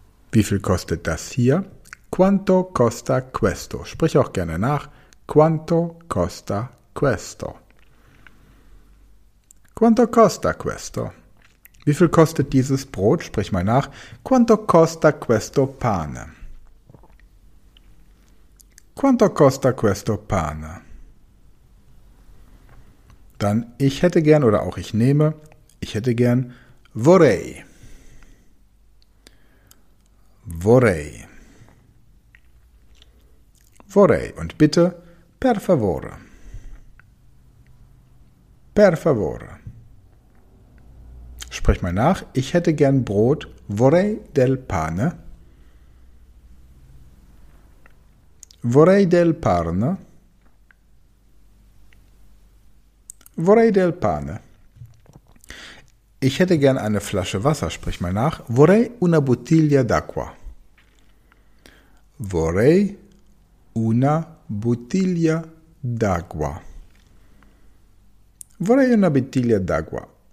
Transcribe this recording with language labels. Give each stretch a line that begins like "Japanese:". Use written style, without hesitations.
German: Wie viel kostet das hier?
Italian: Quanto costa questo?
German: Sprich auch gerne nach.
Italian: Quanto costa questo? Quanto costa questo?
German: Wie viel kostet dieses Brot? Sprich mal nach.
Italian: Quanto costa questo pane? Quanto costa questo pane?
German: Dann ich hätte gern oder auch ich nehme. Ich hätte gern vorrei.
Italian: Vorrei. Vorrei.
German: Und bitte
Italian: per favore. Per favore.
German: Sprich mal nach. Ich hätte gern Brot.
Italian: Vorrei del pane. Vorrei del pane. Vorrei del pane.
German: Ich hätte gern eine Flasche Wasser. Sprich mal nach.
Italian: Vorrei una bottiglia d'acqua. Vorrei una bottiglia d'acqua. Vorrei una bottiglia d'acqua.